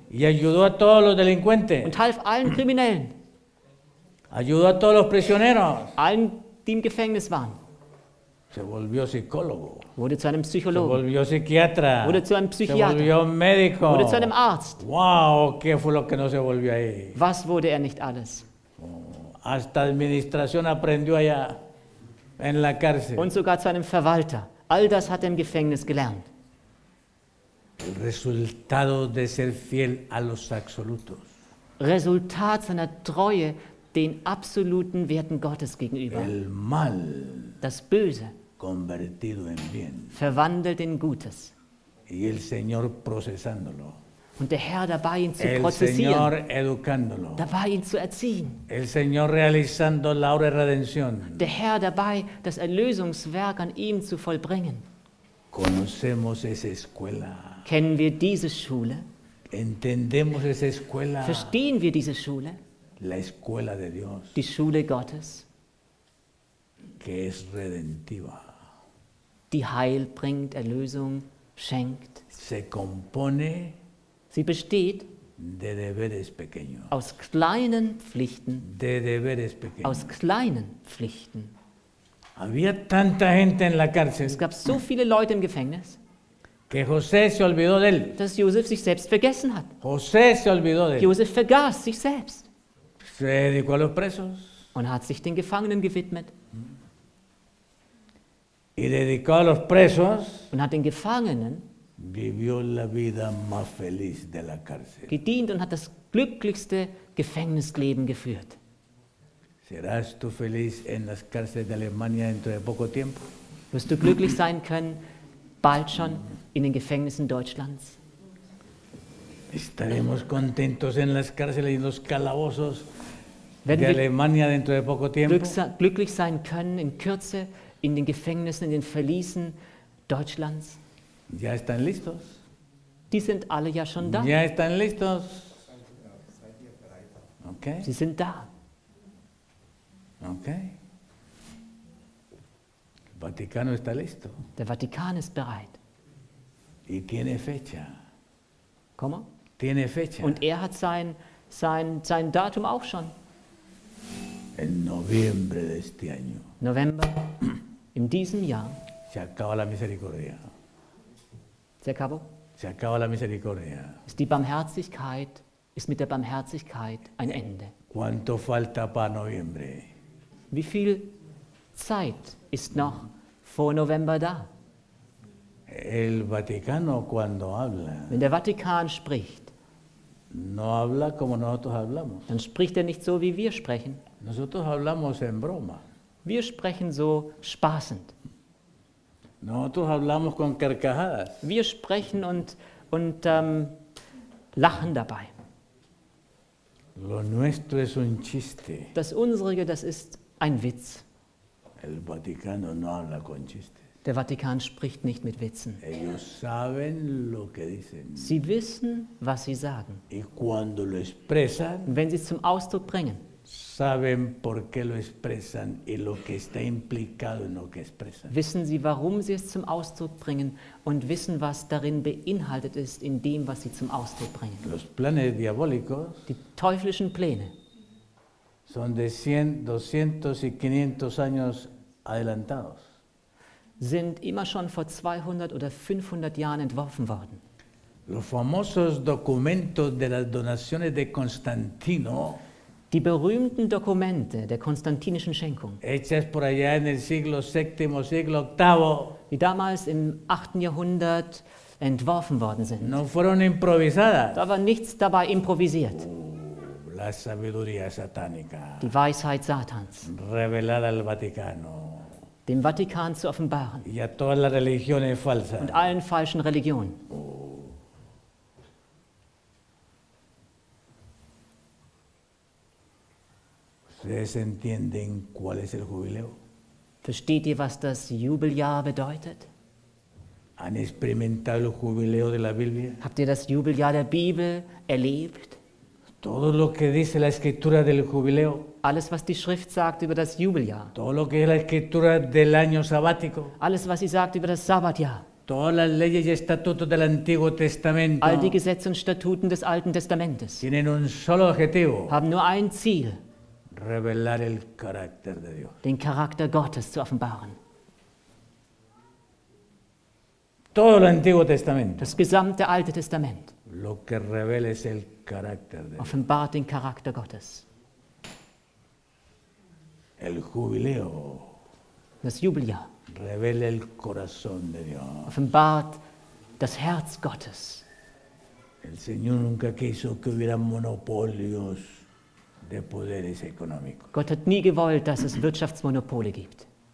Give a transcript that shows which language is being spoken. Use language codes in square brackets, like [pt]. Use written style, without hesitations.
[es] Y ayudó a todos los delincuentes. [de] Und half allen Kriminellen. [es] Ayudó a todos los prisioneros. [de] Allen, die im Gefängnis waren. [es] Se volvió psicólogo. [de] Wurde zu einem Psychologen. [es] Se volvió psiquiatra. [de] Wurde zu einem Psychiater. [es] Se volvió médico. [de] Wurde zu einem Arzt. [es] Wow, qué fue lo que no se volvió ahí. [de] Was wurde er nicht alles? [es] Oh, hasta administración aprendió allá en la cárcel. [de] Und sogar zu einem Verwalter. All das hat er im Gefängnis gelernt. [es] El resultado de ser fiel a los absolutos. [de] Resultat seiner Treue den absoluten Werten Gottes gegenüber. [es] El mal. [de] Das Böse [es] convertido en bien. [de] Verwandelt in Gutes. [es] Y el Señor procesándolo. [de] Und der Herr dabei, ihn zu [es] el [de] prozessieren. [es] Señor educándolo. [de] Dabei, ihn zu erziehen. [es] El Señor realizando la obra de redención. [de] Der Herr dabei, das Erlösungswerk an ihm zu vollbringen. [es] Conocemos esa escuela. [de] Kennen wir diese Schule? [es] Entendemos esa escuela. [de] Verstehen wir diese Schule? [es] La escuela de Dios. [de] Die Schule Gottes. [es] Que es redentiva. [de] Die Heil bringt, Erlösung schenkt. [es] Se compone. [de] Sie besteht. [es] De deberes pequeños. [de] Aus kleinen Pflichten. [es] De deberes pequeños. [de] Aus kleinen Pflichten. [es] Había tanta gente en la cárcel. [de] Es gab so viele Leute im Gefängnis. [es] Que José se olvidó de él. [de] Dass Josef sich selbst vergessen hat. [es] José se olvidó de él. [de] Josef vergaß sich selbst. [es] Se dedicó a los presos. [de] Und hat sich den Gefangenen gewidmet. [es] Y dedicó a los presos, [de] und hat den Gefangenen [es] vivió la vida más feliz de la cárcel. [de] Gedient und hat das glücklichste Gefängnisleben geführt. [es] ¿Serás tú feliz en las cárceles de Alemania dentro de poco tiempo? [de] Wirst du glücklich sein können, bald schon in den Gefängnissen Deutschlands? [es] Estaremos contentos en las cárceles y en los calabozos de Alemania dentro de poco tiempo. [de] Glücklich sein können in Kürze in den Gefängnissen, in den Verliesen Deutschlands. [es] Ya están listos. [de] Die sind alle ja schon da. [es] Ya están listos. [de] Okay. Sie sind da. Okay. [es] Vaticano está listo. [de] Der Vatikan ist bereit. [es] Y tiene fecha. ¿Cómo? Tiene fecha. [de] Und er hat sein Datum auch schon. [es] En noviembre de este año. [de] November. In diesem Jahr. [es] Se acaba la misericordia. Se acabó. Se acaba la misericordia. [de] Ist die Barmherzigkeit, ist mit der Barmherzigkeit ein Ende. [es] Quanto falta para novembre? [de] Wie viel Zeit ist noch vor November da? [es] El Vaticano cuando habla. [de] Wenn der Vatikan spricht, [es] no habla como nosotros hablamos. [de] Dann spricht er nicht so, wie wir sprechen. [es] Nosotros hablamos en broma. [de] Wir sprechen so spaßend. [es] Nosotros hablamos con carcajadas. [de] Wir sprechen und lachen dabei. [es] Lo nuestro es un chiste. [de] Das Unsere, das ist ein Witz. [es] El Vaticano no habla con chistes. [de] Der Vatikan spricht nicht mit Witzen. [es] Ellos saben lo que dicen. [de] Sie wissen, was sie sagen. [es] Y cuando lo expresan, [de] und wenn sie es zum Ausdruck bringen, [es] saben por qué lo expresan y lo que está implicado en lo que expresan. [de] Wissen sie, warum sie es zum Ausdruck bringen und wissen, was darin beinhaltet ist, in dem, was sie zum Ausdruck bringen. [es] Los planes diabólicos, [de] die teuflischen Pläne, [es] son de 100, 200 y 500 años adelantados. [de] Sind immer schon vor 200 oder 500 Jahren entworfen worden. [es] Los famosos documentos de las donaciones de Constantino. [de] Die berühmten Dokumente der konstantinischen Schenkung. [es] Hechas por allá en el siglo VII, siglo VIII. [de] Die damals im 8. Jahrhundert entworfen worden sind. [es] No fueron improvisadas. [de] Da war nichts dabei improvisiert. [es] La sabiduría satánica. [de] Die Weisheit Satans. [es] Revelada al Vaticano. [de] Dem Vatikan zu offenbaren. [es] Y a todas las religiones falsas. [de] Und allen falschen Religionen. [es] ¿Ustedes entienden cuál es el jubileo? [de] Versteht ihr, was das Jubeljahr bedeutet? [es] ¿Han experimentado el jubileo de la Biblia? [de] Habt ihr das Jubeljahr der Bibel erlebt? [es] Todo lo que dice la escritura del jubileo. [de] Alles, was die Schrift sagt über das Jubeljahr. [es] Todo lo que es la escritura del año sabático. [de] Alles, was sie sagt über das Sabbatjahr. [es] Todas las leyes y estatutos del Antiguo Testamento. [de] All die Gesetze und Statuten des Alten Testamentes. [es] Tienen un solo objetivo. [de] Haben nur ein Ziel. [es] Revelar el carácter de Dios. [de] Den Charakter Gottes zu offenbaren. [es] Todo el Antiguo Testamento. [de] Das gesamte Alte Testament. [es] Lo que revela es el carácter de Dios. [de] Offenbart den Charakter Gottes. [es] El jubileo. [de] Das Jubeljahr. [es] Revela el corazón de Dios. [de] Offenbart das Herz Gottes. [es] El Señor nunca quiso que hubiera monopolios de poderes económicos. [de] Gott hat nie gewollt, dass es Wirtschaftsmonopole gibt.